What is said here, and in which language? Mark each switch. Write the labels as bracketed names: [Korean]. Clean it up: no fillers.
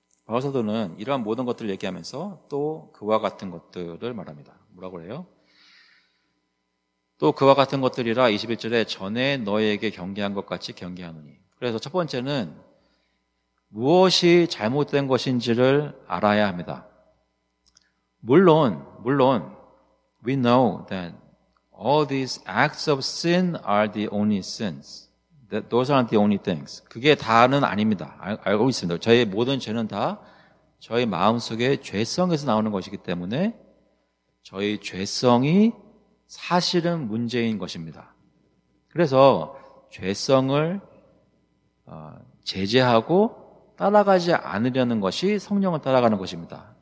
[Korean] 바울사도는 이러한 모든 것들을 얘기하면서 또 그와 같은 것들을 말합니다. 뭐라고 해요? 또 그와 같은 것들이라 21절에 전에 너에게 경계한 것 같이 경계하노니. 그래서 첫 번째는 무엇이 잘못된 것인지를 알아야 합니다. 물론 [English] we know that all these acts of sin are the only sins. That those aren't the only things. [Korean] 그게 다는 아닙니다. 알고 있습니다. 저희 모든 죄는 다 저희 마음속의 죄성에서 나오는 것이기 때문에 저희 죄성이 사실은 문제인 것입니다. 그래서 죄성을 제재하고 따라가지 않으려는 것이 성령을 따라가는 것입니다.